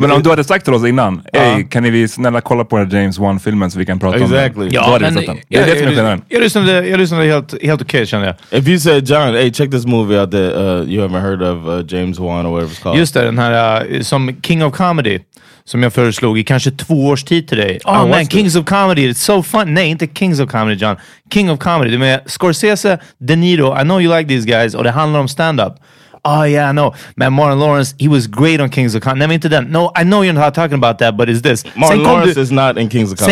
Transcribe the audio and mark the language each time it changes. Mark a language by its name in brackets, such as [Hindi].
[Swedish] Men om du hade sagt till oss innan, hey, kan vi snälla kolla på James Wan-filmen så vi kan prata [English] exactly. [Swedish] om den? [English] Exactly. [Swedish] Ja, det är jag lyssnade helt okej, känner jag. [English] If you said, John, hey, check this movie out that you haven't heard of James Wan or whatever it's called. [Swedish] Just det, den här som King of Comedy, som jag föreslog i kanske 2 års tid till dig. [English] Oh, man, Kings of Comedy, it's so fun. [Swedish] Nej, inte Kings of Comedy, John. King of Comedy, det med Scorsese, De Niro, [English] I know you like these guys, [Swedish] och det handlar om stand-up. [English] Oh yeah, I know. Man, Martin Lawrence, he was great on Kings of Comedy. [Swedish] Nej, men inte den. [English] No, I know you're not talking about that, but it's this. Martin Lawrence is not in Kings of Comedy.